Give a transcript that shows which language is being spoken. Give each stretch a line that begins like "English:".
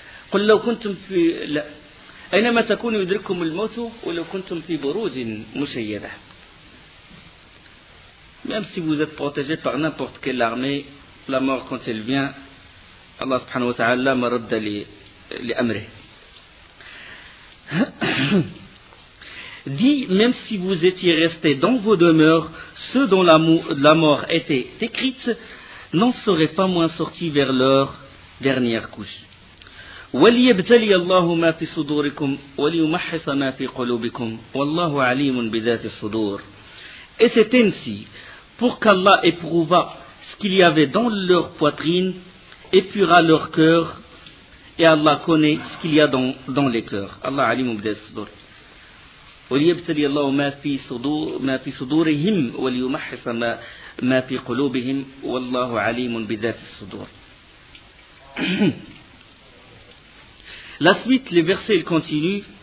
Arabic: قل لو كنتم في لا أينما تكون يدرككم الموت ولو كنتم في بروج مشيدة.
French: Même si vous êtes protégé par n'importe quelle armée, la mort quand elle vient, Allah subhanahu wa ta'ala
Arabic: ma radda li amri.
French: Dit, même si vous étiez restés dans vos demeures, ceux dont la mort était écrite n'en seraient pas moins sortis vers leur dernière couche.
Arabic: وليبتلي الله ما في صدوركم وليمحص ما في قلوبكم والله عليم بذات الصدور.
French: Et c'est ainsi pour qu'Allah éprouva ce qu'il y avait dans leur poitrine, épura leur cœur, et Allah connaît ce qu'il y a dans les cœurs.
Arabic: Allah عليم بذات الصدور. وليبتلي الله ما في صدورهم وليمحص ما في قلوبهم والله عليم بذات الصدور.
French: La suite, les versets, ils continuent.